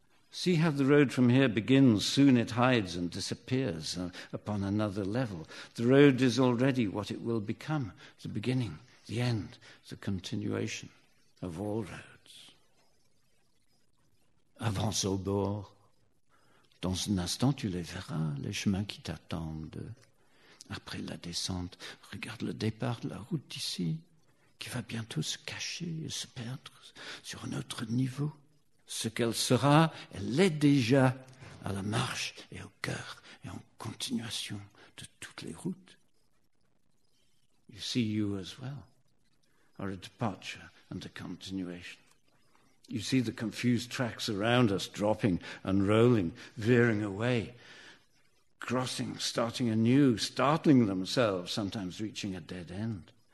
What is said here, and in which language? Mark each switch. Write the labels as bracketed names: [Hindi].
[English] See how the road from here begins. Soon it hides and disappears upon another level. The road is already what it will become, the beginning, the end, the continuation of all roads. [French] Avance au bord. Dans un instant, tu les verras, les chemins qui t'attendent. Après la descente, regarde le départ de la route d'ici, qui va bientôt se cacher et se perdre sur un autre niveau. Ce qu'elle sera, elle l'est déjà, à la marche et au cœur et en continuation de toutes les routes. [English] You see, you as well are a departure and a continuation. You see the confused tracks around us dropping and rolling, veering away, crossing, starting anew, startling themselves, sometimes reaching a dead end.